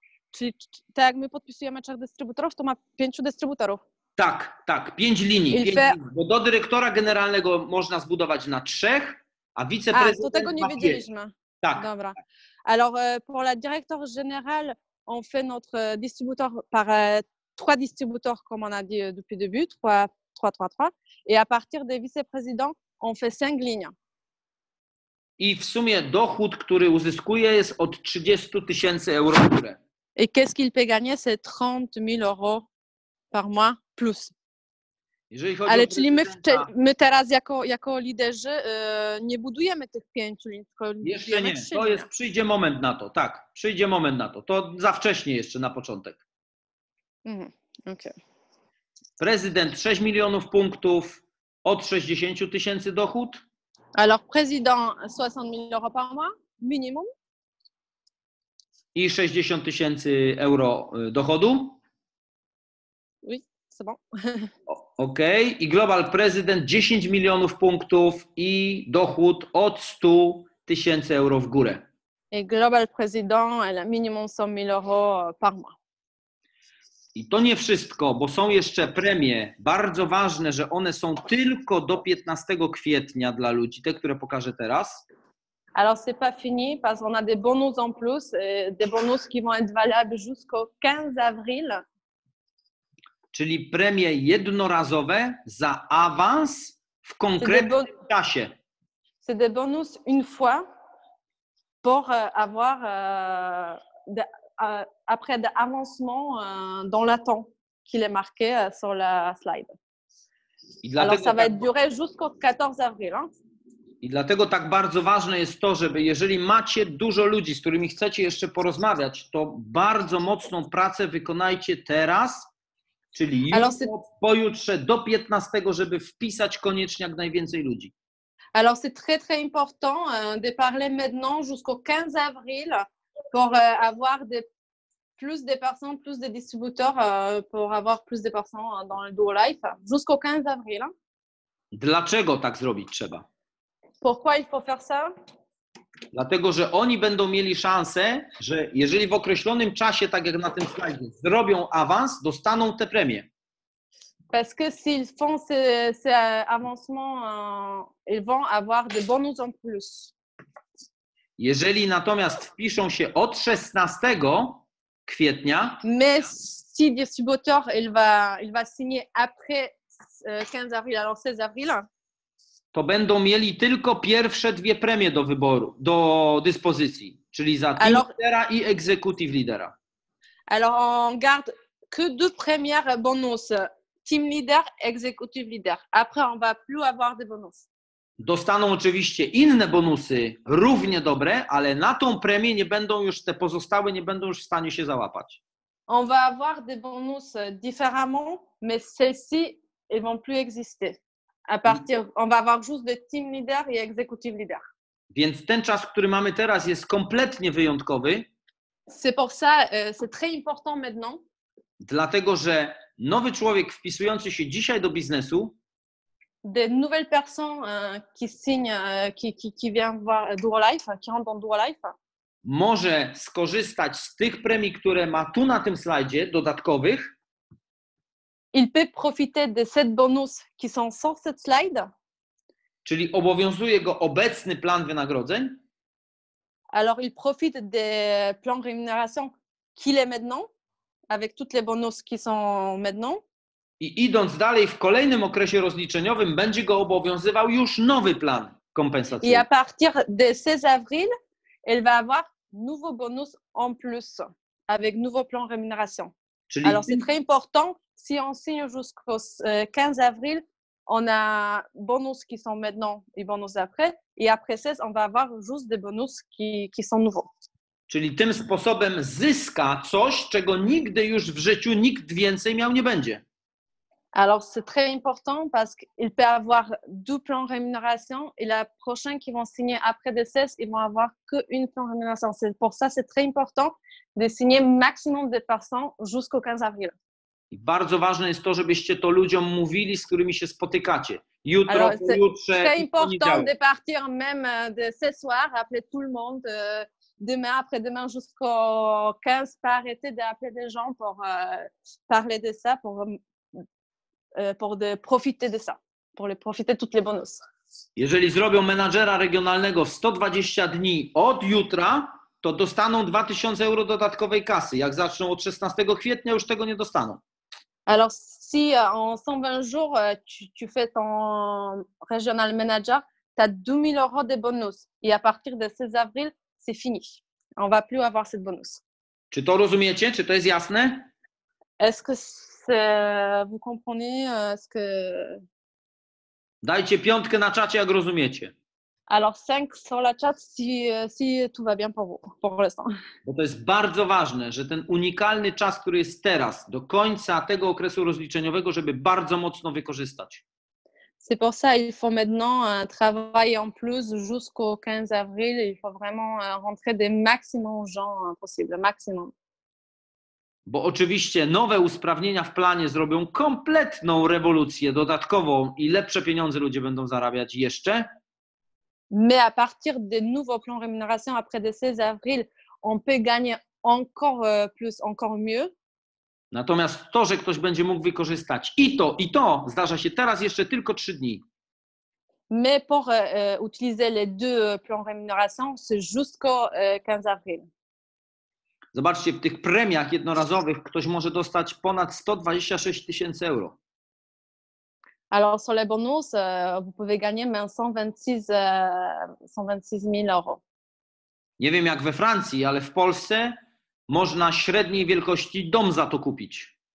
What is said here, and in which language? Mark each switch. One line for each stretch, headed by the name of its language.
Polish: Czyli tak jak my podpisujemy trzech dystrybutorów, to ma pięciu dystrybutorów. Tak, pięć linii. Bo do dyrektora generalnego można zbudować na trzech, a wiceprezydent. To tego nie wiedzieliśmy. Tak. Dobra.
French: Alors, pour la directeur général, on fait notre distributeur par trois distributeurs, comme on a dit depuis le début, trois. Et à partir des vice-présidents, on fait cinq lignes.
Polish: I w sumie dochód, który uzyskuje, jest od 30 tysięcy euro.
French: Et qu'est-ce qu'il peut gagner? C'est 30 000 euros par mois plus.
Polish: Ale czyli my teraz jako liderzy nie budujemy tych pięciu linii, tylko jeszcze nie. Przyjdzie moment na to, tak. Przyjdzie moment na to. To za wcześnie jeszcze na początek. Okay. Prezydent 6 milionów punktów, od 60 tysięcy dochód.
French: Alors, prezydent 60 000 euros par mois, minimum.
Polish: I 60 tysięcy euro dochodu.
French: Oui, c'est bon. OK.
Polish: I global prezydent 10 milionów punktów i dochód od 100 tysięcy euro w górę.
French: I global prezydent minimum 100 000 euro par mois.
Polish: I to nie wszystko, bo są jeszcze premie. Bardzo ważne, że one są tylko do 15 kwietnia dla ludzi, te, które pokażę teraz.
French: Alors, c'est pas fini, parce qu'on a des bonus en plus, des bonus qui vont être valables jusqu'au 15 avril.
Polish: Czyli premie jednorazowe za awans w konkretnym czasie.
French: C'est des bonus une fois pour avoir après d'avancement dans le temps qu'il est marqué sur la slide. I alors ça va être duré jusqu'au 14 avril. Hein?
Polish: I dlatego tak bardzo ważne jest to, żeby jeżeli macie dużo ludzi, z którymi chcecie jeszcze porozmawiać, to bardzo mocną pracę wykonajcie teraz, czyli pojutrze do 15, żeby wpisać koniecznie jak najwięcej ludzi.
French: Alors c'est très très important de parler maintenant jusqu'au 15 avril pour avoir des plus de personnes, plus de distributeurs pour avoir plus de personnes dans le Duo Life jusqu'au 15 avril.
Polish: Dlaczego tak zrobić trzeba?
French: Pourquoi il faut faire ça?
Polish: Dlatego, że oni będą mieli szansę, że jeżeli w określonym czasie, tak jak na tym slajdzie, zrobią awans, dostaną te premie.
French: Parce que s'ils font ces avancements, ils vont avoir des bonus en plus.
Polish: Jeżeli natomiast wpiszą się od 16 kwietnia,
French: mais si distributeur il va signer après 15 avril, alors 16 avril.
Polish: To będą mieli tylko pierwsze dwie premie do wyboru, do dyspozycji, czyli za team leadera i executive leadera.
French: Alors on garde que deux premières bonus, team leader, executive leader. Après on va plus avoir des bonus.
Polish: Dostaną oczywiście inne bonusy, równie dobre, ale na tą premię nie będą już te pozostałe nie będą już w stanie się załapać.
French: On va avoir des bonus différemment, mais celles-ci ne vont plus exister. À partir, on va avoir juste des team leader et executive leader.
Polish: Więc ten czas, który mamy teraz, jest kompletnie wyjątkowy.
French: C'est pour ça, c'est très important maintenant.
Polish: Dlatego, że nowy człowiek wpisujący się dzisiaj do biznesu.
French: De nouvelles personnes qui signent, qui viennent voir Duo Life, qui rentrent dans Duo Life.
Polish: Może skorzystać z tych premii, które ma tu na tym slajdzie, dodatkowych.
French: Il peut profiter de ces bonus qui sont sur cette slide.
Polish: Czyli obowiązuje go obecny plan wynagrodzeń.
French: Alors il profite des plans rémunération qu'il est maintenant, avec toutes les bonus qui sont maintenant.
Polish: I idąc dalej w kolejnym okresie rozliczeniowym będzie go obowiązywał już nowy plan kompensacyjny.
French: Et à partir de 16 avril, elle va avoir nouveau bonus en plus avec nouveau plan rémunération. Czyli alors c'est très important. Si on signe jusqu'au 15 avril, on a bonus qui sont maintenant et bonus après. Et après 16, on va avoir juste des bonus qui sont nouveaux.
Polish: Czyli tym sposobem zyska coś, czego nigdy już w życiu nikt więcej miał nie będzie.
French: Alors c'est très important parce qu'il peut avoir deux plans rémunération et la prochaine qui vont signer après des 16, ils vont avoir qu'une plan rémunération. C'est pour ça c'est très important de signer maximum de personnes jusqu'au 15 avril.
Polish: I bardzo ważne jest to, żebyście to ludziom mówili, z którymi się spotykacie. Jutro, pojutrze.
French: C'est important de partir même de ce soir, appeler tout le monde, demain, après-demain, jusqu'au 15, pas arrêter d'appeler des gens pour parler de ça, pour de profiter de ça, pour le profiter toutes les bonus.
Polish: Jeżeli zrobią menadżera regionalnego 120 dni od jutra, to dostaną 2000 euro dodatkowej kasy. Jak zaczną od 16 kwietnia, już tego nie dostaną.
French: Alors si en 120 jours tu fais ton regional manager, tu as 2000 euros de bonus et à partir de 16 avril, c'est fini. On va plus avoir cette bonus.
Polish: Czy to rozumiecie? Czy to jest jasne?
French: Est-ce que vous comprenez ce que...
Polish: Dajcie piątkę na czacie, jak rozumiecie.
French: Alors 5 sur la chat si tout va bien pour l'instant.
Polish: Bo to jest bardzo ważne, że ten unikalny czas, który jest teraz, do końca tego okresu rozliczeniowego, żeby bardzo mocno wykorzystać.
French: C'est pour ça il faut maintenant travailler en plus jusqu'au 15 avril, il faut vraiment rentrer des maximum gens possible, maximum.
Polish: Bo oczywiście nowe usprawnienia w planie zrobią kompletną rewolucję dodatkową i lepsze pieniądze ludzie będą zarabiać jeszcze.
French: Mais à partir des nouveaux plans rémunération après le 16 avril, on peut gagner encore plus, encore mieux.
Polish: Natomiast to, że ktoś będzie mógł wykorzystać i to zdarza się teraz jeszcze tylko 3 dni.
French: Mais pour utiliser les deux plans rémunération, c'est jusqu'au 15 avril.
Polish: Zobaczcie, w tych premiach jednorazowych ktoś może dostać ponad 126 tysięcy euro.
French: Alors sur les bonus, vous pouvez gagner même 126 000 euros.
Polish: Nie wiem jak we Francji, ale w Polsce Można średniej wielkości dom za to kupić.